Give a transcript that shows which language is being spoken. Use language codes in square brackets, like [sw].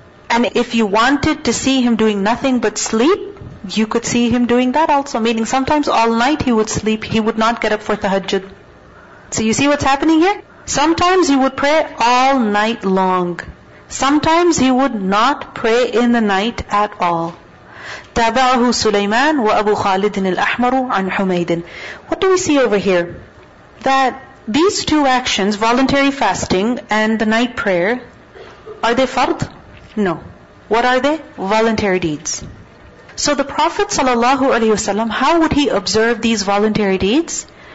[en] And if you wanted to see him doing nothing but sleep, you could see him doing that also. Meaning sometimes all night he would sleep, he would not get up for tahajjud. So you see what's happening here? Sometimes he would pray all night long. Sometimes he would not pray in the night at all. [ar] تابعه سليمان وأبو خالد الأحمر عن حميد. [en] What do we see over here? That these two actions, voluntary fasting and the night prayer, are they fard? No. What are they? Voluntary deeds. So the Prophet sallallahu alaihi wasallam, how would he observe these voluntary deeds?